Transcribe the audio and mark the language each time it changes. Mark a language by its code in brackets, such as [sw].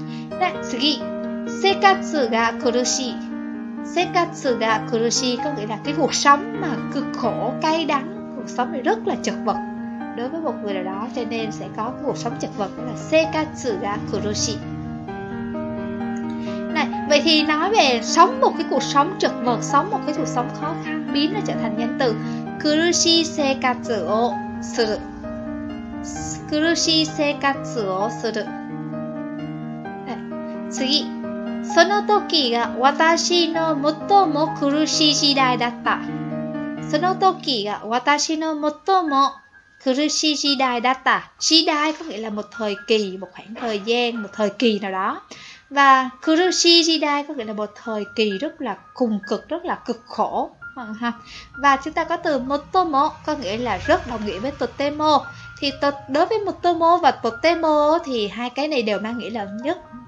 [vi] Tiếp theo, [ja] sekatsu ga kurushi. [vi] Sekatsu ga kurushi có nghĩa là cái cuộc sống mà cực khổ, cay đắng, cuộc sống này rất là chật vật đối với một người nào đó, cho nên sẽ có cái cuộc sống chật vật đó là sekatsu ga kurushi. Này, vậy thì nói về sống một cái cuộc sống chật vật, sống một cái cuộc sống khó khăn, biến nó trở thành nhân từ [ja] kurushi sekatsu o suru. Kurushi sekatsu o suru. [vi] Tiếp theo, [ja] その時が私の最も苦しい時代だった。その時が私の最も苦しい時代だった。 [vi] 時代có nghĩa là một thời kỳ, một khoảng thời gian, một thời kỳ nào đó. Và [ja] 苦しい時代 [vi] có nghĩa là một thời kỳ rất là cùng cực, rất là cực khổ. Và chúng ta có từ 最も có nghĩa là rất, đồng nghĩa với とても. Thì đối với 最も và とても thì hai cái này đều mang nghĩa là nhất.